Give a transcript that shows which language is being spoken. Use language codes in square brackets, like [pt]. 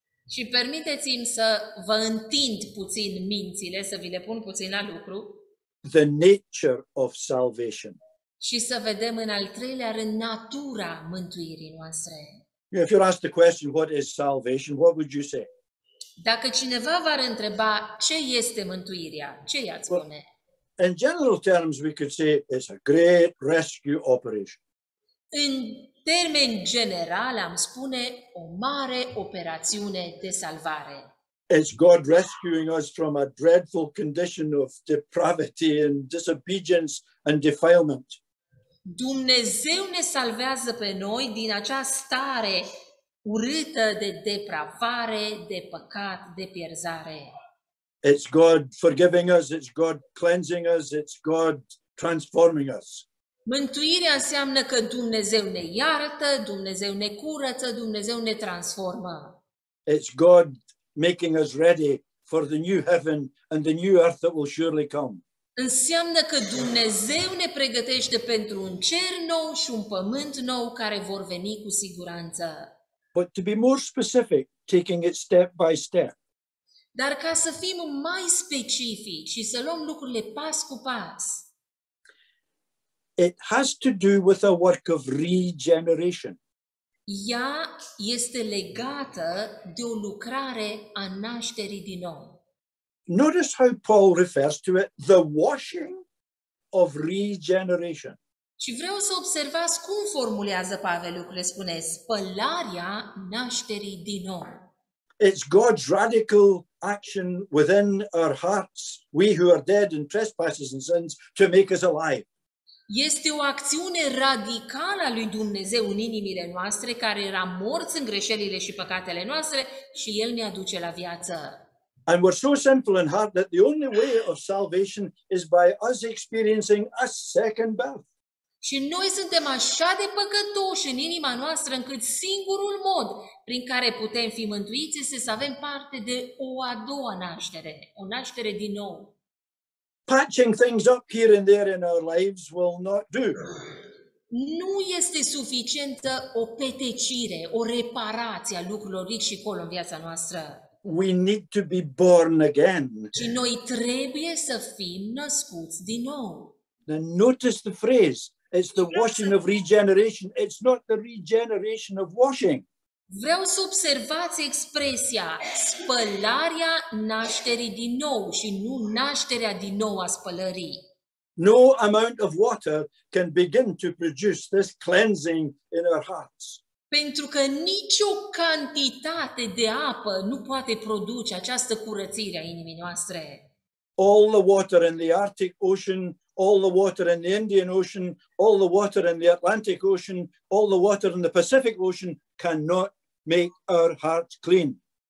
[ro] Și permiteți-mi să vă întind puțin mințile, să vi le pun puțin la lucru. [en] The nature of salvation. [ro] Și să vedem în al treilea rând natura mântuirii noastre. [en] If you're asked the question, what is salvation, what would you say? [ro] Dacă cineva v-ar întreba ce este mântuirea, ce i-ați spune? [en] Well, in general terms, we could say it's a great rescue operation. [ro] În termen general, am spune o mare operațiune de salvare. [en] It's God rescuing us from a dreadful condition of depravity and disobedience and defilement. [ro] Dumnezeu ne salvează pe noi din acea stare urâtă de depravare, de păcat, de pierzare. [en] It's God forgiving us, it's God cleansing us, it's God transforming us. [ro] Mântuirea înseamnă că Dumnezeu ne iartă, Dumnezeu ne curăță, Dumnezeu ne transformă. [en] It's God making us ready for the new heaven and the new earth that will surely come. [ro] Înseamnă că Dumnezeu ne pregătește pentru un cer nou și un pământ nou care vor veni cu siguranță. [en] But to be more specific, taking it step by step. [ro] Dar ca să fim mai specifici și să luăm lucrurile pas cu pas. [en] It has to do with a work of regeneration. [ro] Ea este legată de o lucrare a nașterii din nou. [en] Notice how Paul refers to it, the washing of regeneration. [ro] Și vreau să observați cum formulează Pavel lucrurile, spune spălarea nașterii din nou. [en] It's God's radical action within our hearts, we who are dead in trespasses and sins, to make us alive. [ro] Este o acțiune radicală a lui Dumnezeu în inimile noastre, care era morți în greșelile și păcatele noastre, și El ne aduce la viață. [en] And we're so sinful in heart that the only way of salvation is by us experiencing a second birth. [ro] Și noi suntem așa de păcătoși în inima noastră încât singurul mod prin care putem fi mântuiți este să avem parte de o a doua naștere, o naștere din nou. [en] Patching things up here and there in our lives will not do. [ro] Nu este suficientă o petecire, o reparație a lucrurilor aici și acolo în viața noastră. [en] We need to be born again. [ro] Și noi trebuie să fim născuți din nou. [en] Then notice the phrase. It's the washing of regeneration. It's not the regeneration of washing. [ro] Vreau să observați expresia spălarea nașterii din nou și nu nașterea din nou a spălării. [en] No amount of water can begin to produce this cleansing in our hearts. [ro] Pentru că nicio cantitate de apă nu poate produce această curățire a inimii noastre. [en] All the water in the Arctic Ocean, all the water in the Indian Ocean, all the water in the Atlantic Ocean, all the water in the Pacific Ocean cannot make our hearts clean.